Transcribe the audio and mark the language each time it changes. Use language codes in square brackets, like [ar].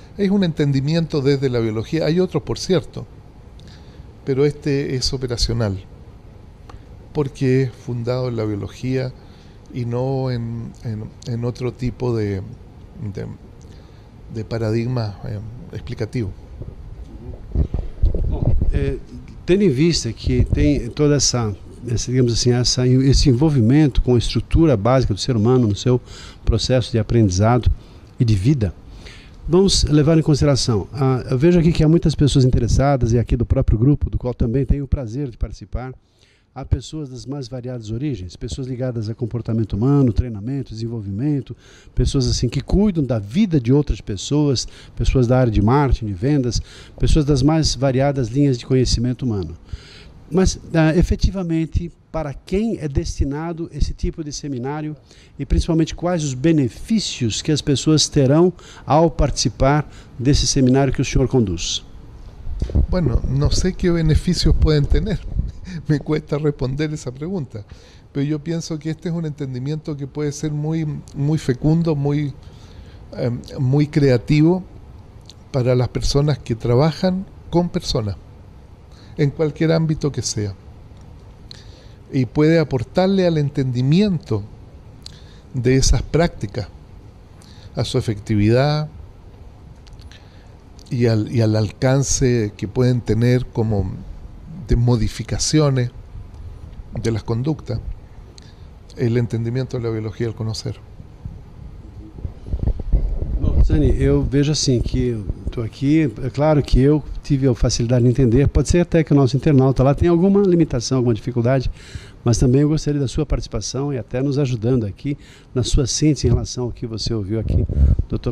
[es] Es un entendimiento desde la biología, hay otros por cierto, pero este es operacional porque es fundado en la biología y no en otro tipo de paradigma explicativo. [pt] Bom, tendo em vista que tem toda esse envolvimento com a estrutura básica do ser humano no seu processo de aprendizado e de vida, vamos levar em consideração. Eu vejo aqui que há muitas pessoas interessadas, e aqui do próprio grupo, do qual também tenho o prazer de participar, há pessoas das mais variadas origens, pessoas ligadas a comportamento humano, treinamento, desenvolvimento, pessoas assim que cuidam da vida de outras pessoas, pessoas da área de marketing, de vendas, pessoas das mais variadas linhas de conhecimento humano. Mas, efetivamente, para quem é destinado esse tipo de seminário e, principalmente, quais os benefícios que as pessoas terão ao participar desse seminário que o senhor conduz? Bueno, não sei que benefícios podem ter. [es] Me cuesta responder esa pregunta, pero yo pienso que este es un entendimiento que puede ser muy, muy fecundo, muy, muy creativo para las personas que trabajan con personas, en cualquier ámbito que sea. Y puede aportarle al entendimiento de esas prácticas, a su efectividad y al alcance que pueden tener como de modificaciones de las conductas, el entendimiento de la biología, el conocer. [pt] Bom, Sani, eu vejo assim que estou aqui, é claro que eu tive a facilidade de entender, pode ser até que o nosso internauta lá tenha alguma limitação, alguma dificuldade, mas também eu gostaria da sua participação e até nos ajudando aqui na sua síntese em relação ao que você ouviu aqui, Dr.